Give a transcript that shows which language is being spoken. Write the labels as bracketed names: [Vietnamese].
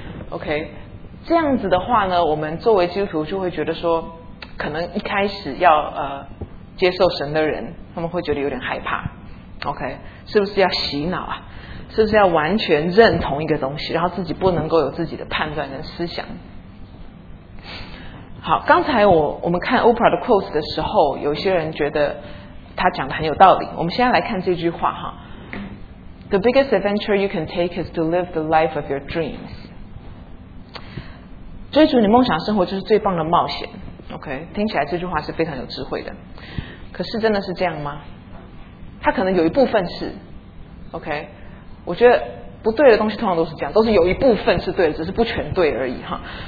[Chinese] OK， 这样子的话呢，我们作为基督徒就会觉得说，可能一开始要接受神的人，他们会觉得有点害怕。 OK， 是不是要洗脑啊？是不是要完全认同一个东西，然后自己不能够有自己的判断跟思想？好，刚才我们看 Oprah 的 quotes 的时候，有些人觉得他讲的很有道理。我们现在来看这句话哈 ， [English] The biggest adventure you can take is to live the life of your dreams。 [Chinese] 追逐你梦想生活就是最棒的冒险。OK， 听起来这句话是非常有智慧的，可是真的是这样吗？它可能有一部分是 OK， 我觉得不对的东西通常都是这样，都是有一部分是对的，只是不全对而已哈。